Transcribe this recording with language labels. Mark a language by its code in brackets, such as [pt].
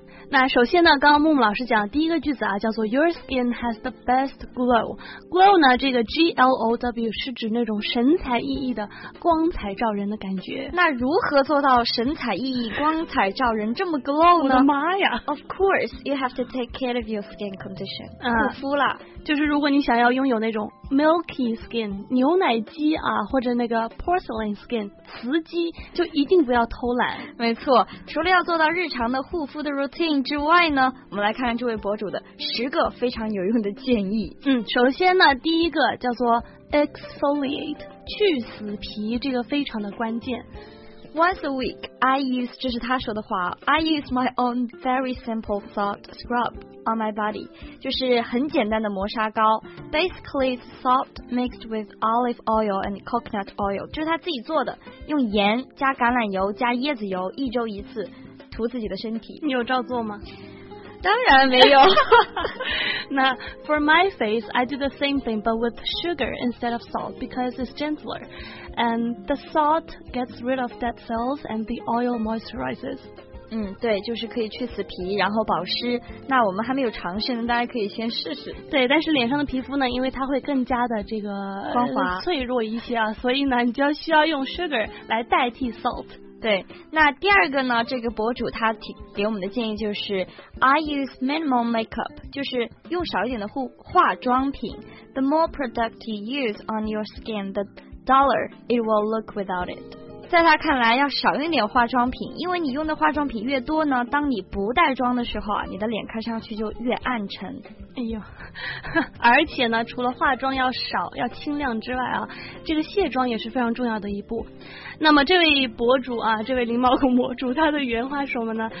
[zh] 那首先呢，刚刚木木老师讲的第一个句子啊，叫做 [en] Your skin has the best glow. [zh] Glow 呢，这个 GLOW 是指那种神采奕奕的光彩照人的感觉。那如何做到神采奕奕光彩照人这么 glow 呢？我的妈呀。 [en] Of course, you have to take care of your skin condition. [zh] 护肤啦，就是如果你想要拥有那种 milky skin 牛奶肌啊，或者那个 porcelain skin 瓷肌，就一定不要偷懒。没错，除了要做到日常的护肤的 routine 之外呢，我们来看看这位博主的十个非常有用的建议。首先呢，第一个叫做 exfoliate， 去死皮，这个非常的关键。 [en] Once a week, I use, [zh] 这是他说的话， [en] I use my own very simple salt scrub on my body. [zh] 就是很简单的磨砂膏， [en] basically it's salt mixed with olive oil and coconut oil. [zh] 就是他自己做的，用盐加橄榄油加椰子油，一周一次涂自己的身体。你有照做吗？当然没有。 [en] 那 for my face, I do the same thing but with sugar instead of salt because it's gentler. And the salt gets rid of dead cells and the oil moisturizes. [zh] 对，就是可以去死皮，然后保湿。那我们还没有尝试呢，大家可以先试试。对，但是脸上的皮肤呢，因为它会更加的这个光滑、脆弱一些啊，所以呢，你就需要用 sugar 来代替 salt。对，那第二个呢，这个博主他给我们的建议就是 [en] I use minimal makeup， [zh] 就是用少一点的化妆品。 [en] The more product you use on your skin, the dollar it will look without it. [zh] 在他看来要少用点化妆品，因为你用的化妆品越多呢，当你不带妆的时候，你的脸看上去就越暗沉。哎呦，而且呢，除了化妆要少要轻量之外啊，这个卸妆也是非常重要的一步。那么这位博主啊，这位零毛孔博主，他的原话是什么呢？